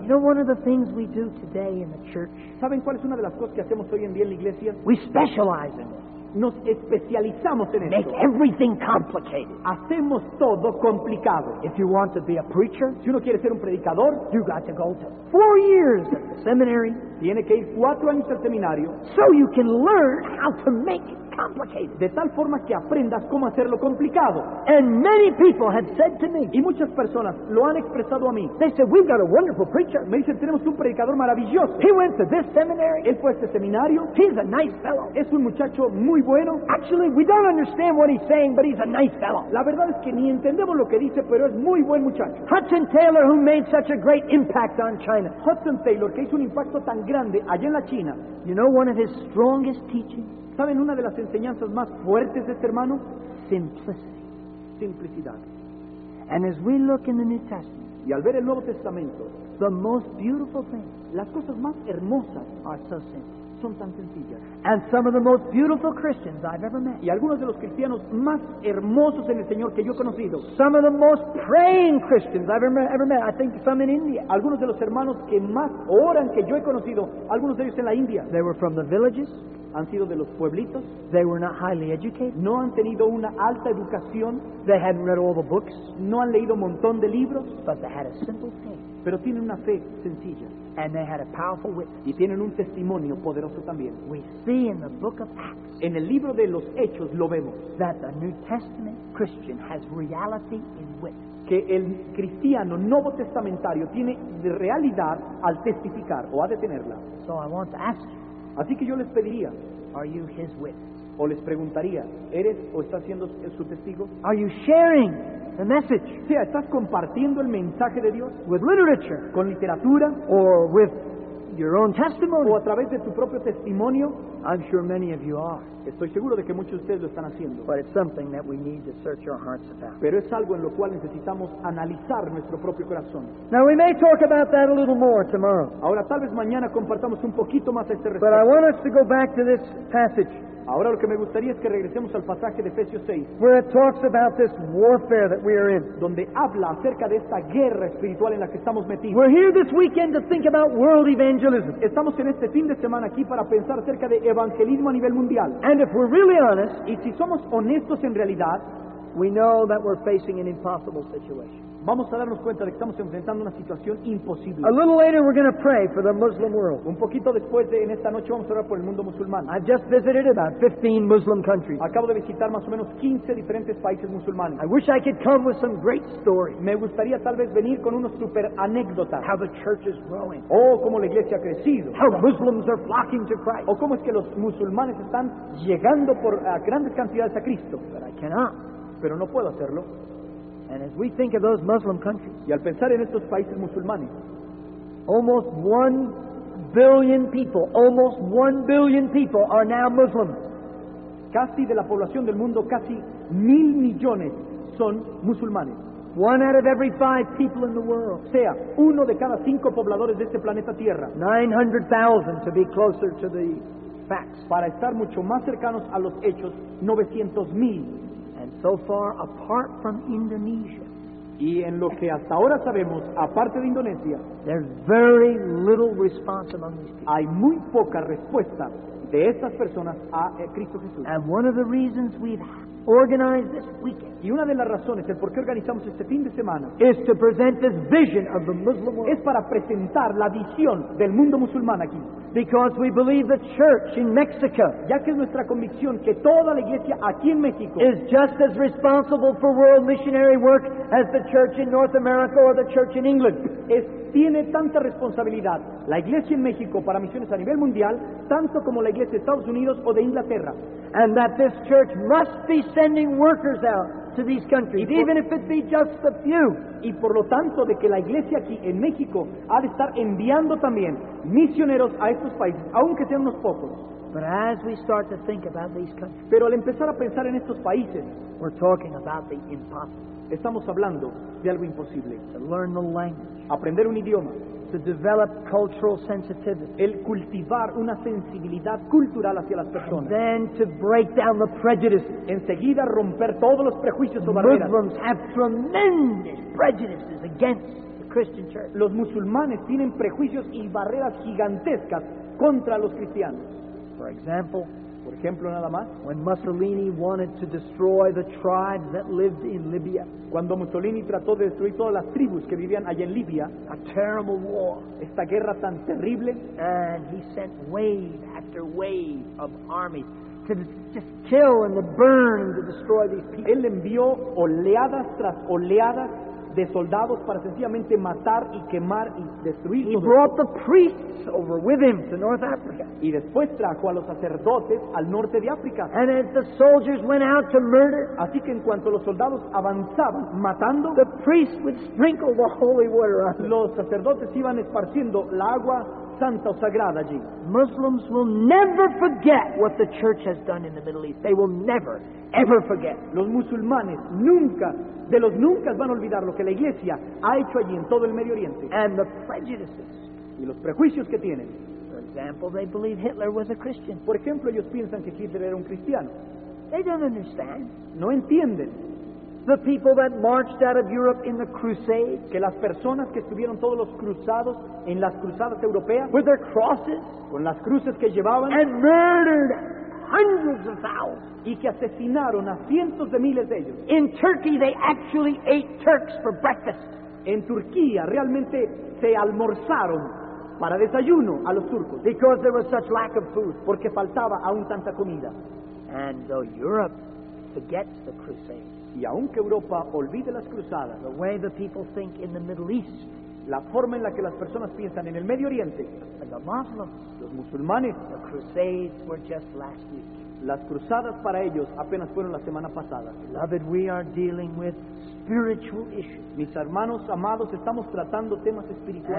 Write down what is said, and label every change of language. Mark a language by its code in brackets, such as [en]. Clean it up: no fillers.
[en] You know, one of the things we do today in the church. [es] ¿Saben cuál es una de las cosas que hacemos hoy en día en la iglesia? [en] We specialize in it. [es] Nos especializamos en esto. [en] Make everything complicated. [es] Hacemos todo complicado. [en] If you want to be a preacher, [es] si uno quiere ser un predicador, [en] you got to go to 4 years at the seminary. [es] Tiene que ir 4 años al seminario. [en] So you can learn how to make it complicated. [es] De tal forma que aprendas cómo hacerlo complicado. [en] And many people have said to me. [es] Y muchas personas lo han expresado a mí. [en] They said, we've got a wonderful preacher. [es] Me dicen, tenemos un predicador maravilloso. [en] He went to this seminary. [es] Él fue a este seminario. [en] He's a nice fellow. [es] Es un muchacho muy bueno. [en] Actually, we don't understand what he's saying, but he's a nice fellow. [es] La verdad es que ni entendemos lo que dice, pero es muy buen muchacho. [en] Hudson Taylor, who made such a great impact on China. [es] Hudson Taylor, que hizo un impacto tan grande allá en la China. [en] You know one of his strongest teachings? [es] ¿Saben una de las enseñanzas más fuertes de este hermano? Simplicidad. [en] And as we look in the New Testament, [es] y al ver el Nuevo Testamento, [en] the most beautiful things, [es] las cosas más hermosas, [en] are so simple, [es] son tan sencillas. [en] And some of the most beautiful Christians I've ever met, [es] y algunos de los cristianos más hermosos en el Señor que yo he conocido, [en] some of the most praying Christians I've ever met, I think some in India, [es] algunos de los hermanos que más oran que yo he conocido, algunos de ellos en la India, [en] they were from the villages. [es] Han sido de los pueblitos. [en] They were not highly educated. [es] No han tenido una alta educación. [en] They hadn't read all the books. [es] No han leído un montón de libros. [en] But they had a simple faith. [es] Pero tienen una fe sencilla. [en] And they had a powerful witness. [es] Y tienen un testimonio poderoso también. [en] We see in the book of Acts. [es] En el libro de los Hechos lo vemos. [en] That the New Testament Christian has reality in witness. [es] Que el cristiano nuevo testamentario tiene realidad al testificar o a detenerla. [en] So I want to ask you. [es] Así que yo les pediría, [en] are you his witness? [es] O les preguntaría, ¿eres o estás siendo su testigo? [en] Are you sharing the message? [es] Sea, ¿estás compartiendo el mensaje de Dios? [en] With literature, [es] con literatura, [en] or with your own testimony, [es] o a través de tu propio testimonio. [en] I'm sure many of you are. [es] Estoy seguro de que muchos de ustedes lo están haciendo. [en] But it's something that we need to search our hearts about. [es] Pero es algo en lo cual necesitamos analizar nuestro propio corazón. [en] Now we may talk about that a little more tomorrow. [es] Ahora tal vez mañana compartamos un poquito más este respecto. [en] But I want us to go back to this passage. [es] Ahora lo que me gustaría es que regresemos al pasaje de Efesios 6. [en] Where it talks about this warfare that we are in. [es] Donde habla acerca de esta guerra espiritual en la que estamos metidos. [en] We're here this weekend to think about world evangelism. [es] Estamos en este fin de semana aquí para pensar acerca de evangelismo a nivel mundial. [en] And if we're really honest, [es] y si somos honestos en realidad, [en] we know that we're facing an impossible situation. [es] Vamos a darnos cuenta de que estamos enfrentando una situación imposible. [en] A little later we're going to pray for the Muslim world. [es] Un poquito después de en esta noche vamos a orar por el mundo musulmán. [en] I just visited about 15 Muslim countries. [es] Acabo de visitar más o menos 15 diferentes países musulmanes. [en] I wish I could come with some great story. [es] Me gustaría tal vez venir con una super anécdota. [en] How the church is growing. [es] Oh, cómo la iglesia ha crecido. [en] How Muslims are flocking to Christ. [es] O cómo es que los musulmanes están llegando por grandes cantidades a Cristo. [en] But I cannot. [es] Pero no puedo hacerlo. [en] And as we think of those Muslim countries, [es] y al pensar en estos países musulmanes, [en] almost 1 billion people, almost 1 billion people are now Muslim. [es] Casi de la población del mundo, casi 1,000,000,000 son musulmanes. [en] One out of every 5 people in the world. [es] Sea, uno de cada 5 pobladores de este planeta Tierra. [en] 900,000 to be closer to the facts. [es] Para estar mucho más cercanos a los hechos, 900,000. [en] And so far, apart from Indonesia, [es] y en lo que hasta ahora sabemos, aparte de Indonesia, [en] there's very little response among these people. [es] Hay muy poca respuesta de estas personas a Cristo Jesús. [en] And one of the reasons we've organized this weekend, [es] y una de las razones el por qué organizamos este fin de semana, [en] is to present this vision of the Muslim world. [es] Es para presentar la visión del mundo musulmán aquí. [en] Because we believe the church in Mexico, [es] ya que es nuestra convicción que toda la iglesia aquí en México, [en] is just as responsible for world missionary work as the church in North America or the church in England. [es] Es, tiene tanta responsabilidad la iglesia en México para misiones a nivel mundial, tanto como la iglesia de Estados Unidos o de Inglaterra. [en] And that this church must be sending workers out to these countries, even if it be just a few. [es] Y por lo tanto, de que la iglesia aquí en México ha de estar enviando también misioneros a estos países, aunque sean unos pocos. [en] But as we start to think about these countries, [es] pero al empezar a pensar en estos países, [en] we're talking about the impossible. [es] Estamos hablando de algo imposible. [en] To learn the language, [es] aprender un idioma, [en] to develop cultural sensitivity, [es] el cultivar una sensibilidad cultural hacia las personas, [en] and then to break down the prejudices. [es] Enseguida romper todos los prejuicios o barreras. [en] Muslims have tremendous prejudices against the Christian church. [es] Los musulmanes tienen prejuicios y barreras gigantescas contra los cristianos. [en] For example, [es] por ejemplo, nada más, [en] when Mussolini wanted to destroy the tribes that lived in Libya, [es] cuando Mussolini trató de destruir todas las tribus que vivían allá en Libia, [en] a terrible war, [es] esta guerra tan terrible, [en] and he sent wave after wave of armies to just kill and to burn and to destroy these people. [es] Él envió oleadas tras oleadas de soldados para sencillamente matar y quemar y destruir. [en] He brought the priests over with him to North Africa. [es] Y después trajo a los sacerdotes al norte de África. [en] And as the soldiers went out to murder, [es] así que en cuanto los soldados avanzaban matando, [en] the priests would sprinkle the holy water on them. [es] Los sacerdotes iban esparciendo la agua santa o sagrada allí. [en] Muslims will never forget what the church has done in the Middle East. They will never, ever forget. [es] Los musulmanes nunca, de los nunca van a olvidar lo que la iglesia ha hecho allí en todo el Medio Oriente. [en] And the prejudices. [es] Y los prejuicios que tienen. [en] For example, they believe Hitler was a Christian. [es] Por ejemplo, ellos piensan que Hitler era un cristiano. [en] They don't understand. [es] No entienden. [en] The people that marched out of Europe in the Crusades, [es] que las personas que estuvieron todos los cruzados en las cruzadas europeas, [en] with their crosses, [es] con las cruces que llevaban, [en] and murdered hundreds of thousands, [es] y que asesinaron a cientos de miles de ellos. [en] In Turkey, they actually ate Turks for breakfast. [es] En Turquía realmente se almorzaron para desayuno a los turcos. [en] Because there was such lack of food, [es] porque faltaba aún tanta comida. [en] And though Europe forgets the Crusades, [es] y aunque Europa olvide las cruzadas, [en] the way the people think in the Middle East, [es] la forma en la que las personas piensan en el Medio Oriente, [en] and the Muslims, [es] los musulmanes, [en] the Crusades were just last week. [es] Las cruzadas para ellos apenas fueron la semana pasada. [en] Beloved, we are dealing with spiritual issues. [es] Mis hermanos amados, estamos tratando temas espirituales.